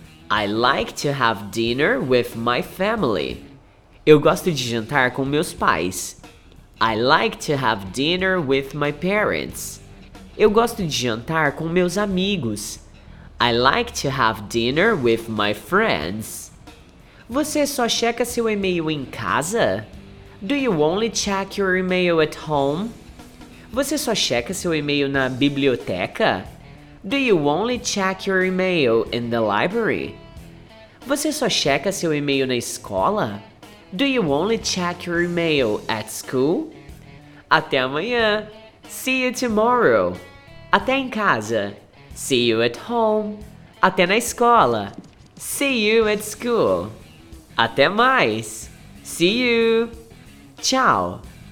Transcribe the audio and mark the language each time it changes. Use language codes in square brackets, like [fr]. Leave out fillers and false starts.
[en] I like to have dinner with my family. [pt] Eu gosto de jantar com meus pais. [en] I like to have dinner with my parents. [pt] Eu gosto de jantar com meus amigos. [en] I like to have dinner with my friends. [pt] Você só checa seu e-mail em casa? [en] Do you only check your email at home? [pt] Você só checa seu e-mail na biblioteca? [en] Do you only check your email in the library? [pt] Você só checa seu e-mail na escola? [en] Do you only check your email at school? [pt] Até amanhã. [en] See you tomorrow. [pt] Até em casa. [en] See you at home. [pt] Até na escola. [en] See you at school. [pt] Até mais. [en] See you. [pt] Tchau.